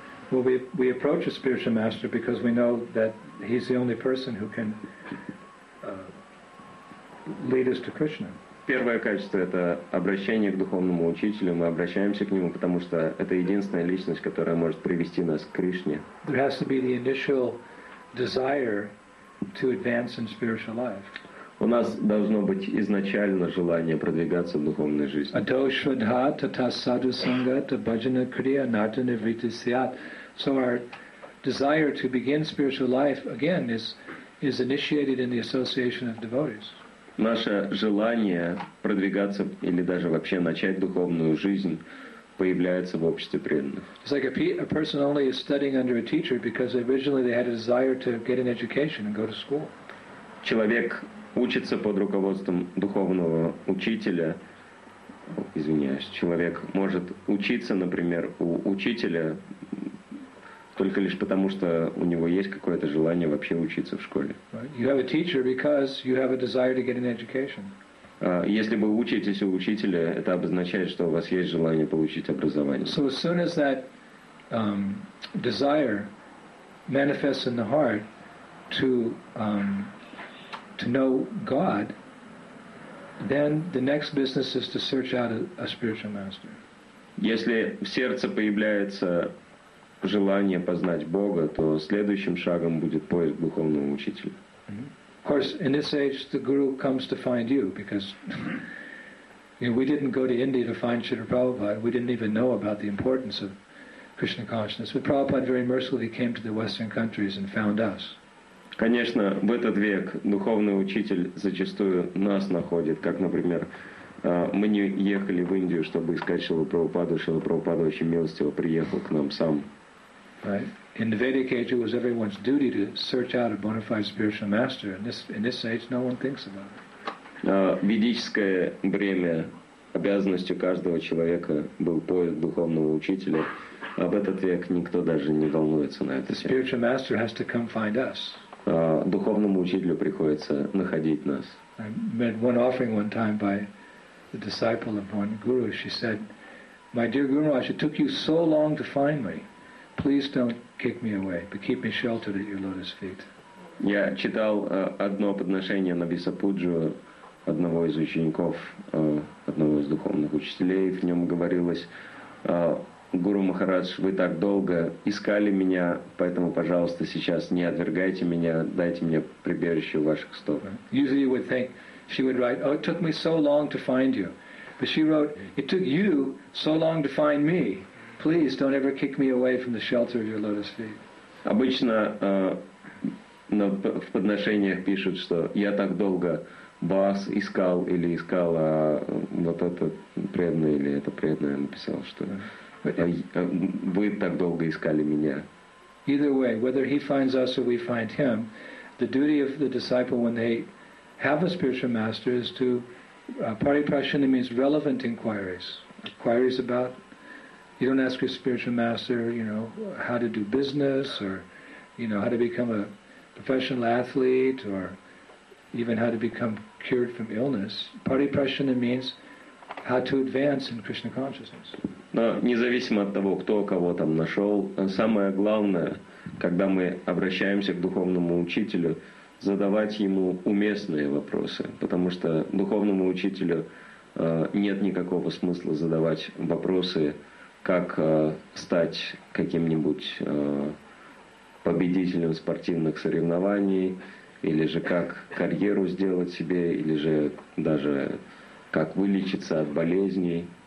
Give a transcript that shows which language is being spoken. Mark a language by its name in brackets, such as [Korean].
[English] Well, we approach a spiritual master because we know that he's the only person who can lead us to Krishna. [Russian] Первое качество — это обращение к духовному учителю. Мы обращаемся к нему, потому что это единственная личность, которая может привести нас к Кришне. [English] There has to be the initial desire to advance in spiritual life. [Russian] У нас должно быть изначально желание продвигаться в духовной жизни. [Sanskrit] Адошвадха татасаду сангата баджана крия натана вритисиат. [English] So our desire to begin spiritual life again is initiated in the association of devotees. [Russian] Наше желание продвигаться или даже вообще начать духовную жизнь появляется в обществе преданных. [English] It's like a person only is studying under a teacher because originally they had a desire to get an education and go to school. [Russian] Человек учится под руководством духовного учителя. Извиняюсь, человек может учиться, например, у учителя только лишь потому, что у него есть какое-то желание вообще учиться в школе. [English] You have a teacher because you have a desire to get an education. [Russian] Если вы учитесь у учителя, это обозначает, что у вас есть желание получить образование. [English] So as soon as that desire manifests in the heart to know God, then the next business is to search out a spiritual master. [Russian] Если в сердце появляется желание познать Бога, то следующим шагом будет поиск духовного учителя. [English] Of course, in this age, the guru comes to find you, because you know, we didn't go to India to find Śrīla Prabhupāda. We didn't even know about the importance of Krishna consciousness. But Prabhupāda very mercifully came to the Western countries and found us. [Russian] Конечно, в этот век духовный учитель зачастую нас находит, как, например, мы не ехали в Индию, чтобы искать Шрилу Прабхупаду. Шрила Прабхупада очень милостиво приехал к нам сам. [English] Right. In the Vedic age, it was everyone's duty to search out a bona fide spiritual master. In this age, no one thinks about it. [Russian] Ведическое бремя, обязанностью каждого человека был поиск духовного учителя. Об этот век никто даже не волнуется на это. [English] Spiritual master has to come find us. [Russian] Духовному учителю приходится находить нас. [English] I met one offering one time by the disciple of one guru. She said, "My dear Guru Maharaj, it took you so long to find me. Please don't kick me away, but keep me sheltered at your lotus feet." [Russian] Я читал одно подношение на Висапуджу одного из учеников, одного из духовных учителей. В нем говорилось, Гуру Махарадж, вы так долго искали меня, поэтому, пожалуйста, сейчас не отвергайте меня, дайте мне прибежище у ваших стоп. [English] Usually you would think, she would write, "Oh, it took me so long to find you." But she wrote, "It took you so long to find me. Please don't ever kick me away from the shelter of your lotus feet." [Russian] Обычно в подношениях пишут, что я так долго вас искал или искал, а вот это преданное или это преданное написал, что вы так долго искали меня. [English] Either way, whether he finds us or we find him, the duty of the disciple when they have a spiritual master is to parīprāśana means relevant inquiries. Inquiries about, you don't ask your spiritual master, you know, how to do business or, you know, how to become a professional athlete or even how to become cured from illness. Parīprāśana means how to advance in Krishna consciousness. [Russian] Но независимо от того, кто кого там нашел, самое главное, когда мы обращаемся к духовному учителю, задавать ему уместные вопросы, потому что духовному учителю нет никакого смысла задавать вопросы, как стать каким-нибудь победителем спортивных соревнований, или же как карьеру сделать себе, или же даже как вылечиться от болезней.